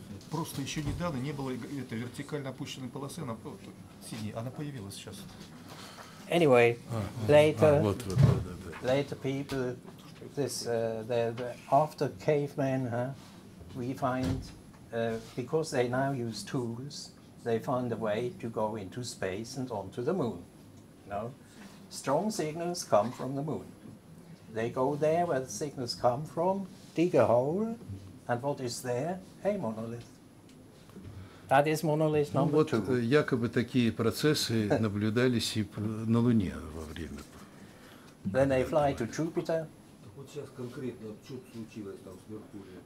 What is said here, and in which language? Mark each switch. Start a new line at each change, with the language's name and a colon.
Russian: просто еще недавно не было этой вертикально опущенной полосы, она синяя, она появилась сейчас.
English: Anyway, later people, this, after cavemen, we find, because they now use tools, they find a way to go into space and onto the moon, you know? Strong signals come from the moon. They go there where the signals come from, dig a hole, and what is there? Hey, monolith. That is monolith number вот, two.
Russian: Вот якобы такие процессы наблюдались и на Луне во время.
English: Then they fly to Jupiter.
Russian: Вот сейчас конкретно, что случилось там с Меркурием?